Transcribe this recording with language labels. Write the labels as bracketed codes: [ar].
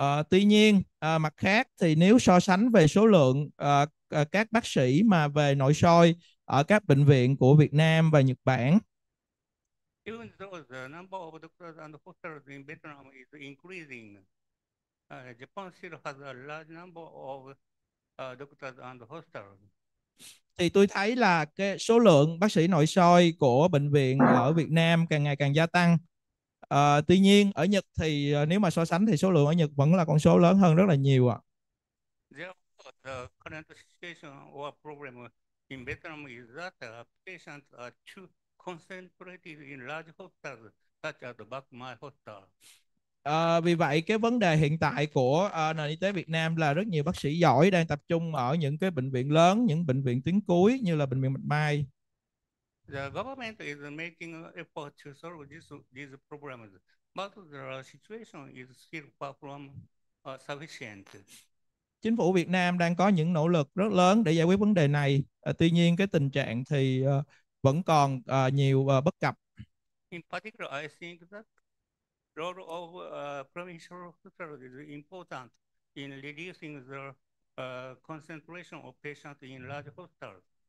[vi] Tuy nhiên, mặt khác thì nếu so sánh về số lượng các bác sĩ mà về nội soi ở các bệnh viện của Việt Nam và Nhật Bản. [en] Even though the number of doctors and hospitals in Vietnam is increasing, Japan still has a large number of doctors and hospitals. [vi] Thì tôi thấy là cái số lượng bác sĩ nội soi của bệnh viện ở Việt Nam càng ngày càng gia tăng. Tuy nhiên ở Nhật thì nếu mà so sánh thì số lượng ở Nhật vẫn là con số lớn hơn rất là nhiều ạ. [en] The current situation or problem in Vietnam is that patients are too concentrated in large hospitals such as the Bạch Mai Hospital. [vi] Vì vậy cái vấn đề hiện tại của nền y tế Việt Nam là rất nhiều bác sĩ giỏi đang tập trung ở những cái bệnh viện lớn, những bệnh viện tuyến cuối như là Bệnh viện Bạch Mai. [en] The government is making effort to solve these problems, but the situation is still far from sufficient. [vi] Chính phủ Việt Nam đang có những nỗ lực rất lớn để giải quyết vấn đề này. Tuy nhiên cái tình trạng thì vẫn còn nhiều bất cập. [en] In particular, I think that role of provincial hospitals is important in reducing the concentration of patients in large hospitals.